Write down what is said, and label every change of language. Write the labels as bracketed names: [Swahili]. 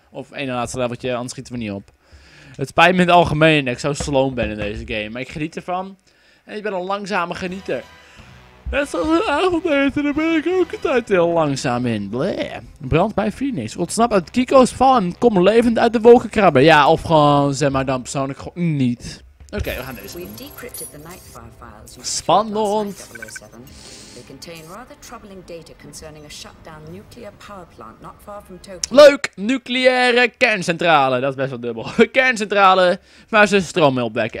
[Dutch] Of één laatste leveltje, anders schieten we niet op. Het spijt me in het algemeen dat ik zo sloom ben in deze game. Maar ik geniet ervan. En ik ben een langzame genieter. Net zoals een avondeten, daar ben ik ook een tijd heel langzaam in. Bleh. Brand bij Phoenix. Ontsnap uit Kiko's van. Kom levend uit de wolken krabben. Ja, of gewoon zeg maar dan persoonlijk gewoon niet. Oké, okay, we gaan deze. [English] We've decrypted the Nightfire files. [Dutch] Spannend. [English] They contain rather troubling data concerning a shutdown nuclear power plant not far from Tokyo. [Dutch] Leuk! Nucleaire kerncentrale. Dat is best wel dubbel. Kerncentrale waar ze stroom mee opwekken.